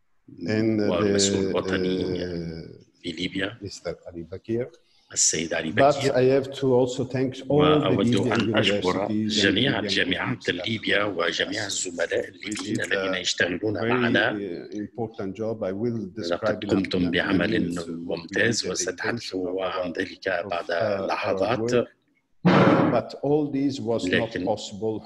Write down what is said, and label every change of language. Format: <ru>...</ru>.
<ar>and والمسؤول الوطني في ليبيا</ar> <en>Mr. Ali Bakir</en> <ar>السيد علي</ar> <en>بكير but I have to also thank all the Libyan universities</en> <ar>أشكر جميع الجامعات الليبية وجميع الزملاء الليبيين الذين يشتغلون معنا</ar> <en>important job I will</en> <ar>لقد قمتم بعمل ممتاز وستحدث عن ذلك بعد لحظات</ar> <en>But all this was not possible</en>